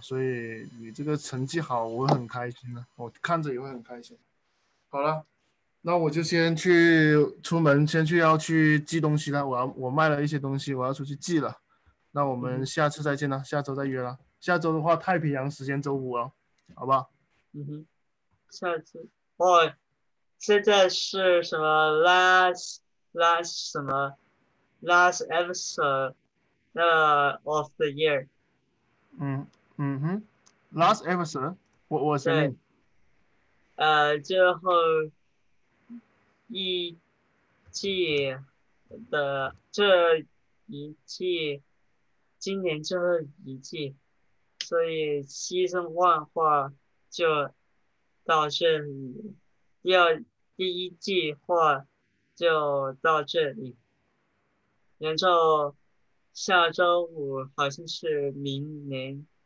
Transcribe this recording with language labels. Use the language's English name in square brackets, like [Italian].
[Chinese] 所以你这个成绩好，我很开心呢，我看着也会很开心。好了，那我就先去出门，先去要去寄东西了。我卖了一些东西，我要出去寄了。那我们下次再见了，下周再约了。下周的话，太平洋时间周五哦，好吧？下次，哦，现在是什么 last 什么 [English] last episode [Chinese] 那 [English] of the year。 Last episode, what does it [Chinese] 对， [English] mean? [Chinese] 最后一季的这一季，今年最后一季，所以千变万化就到这里，第一季就到这里，然后下周五好像是明年。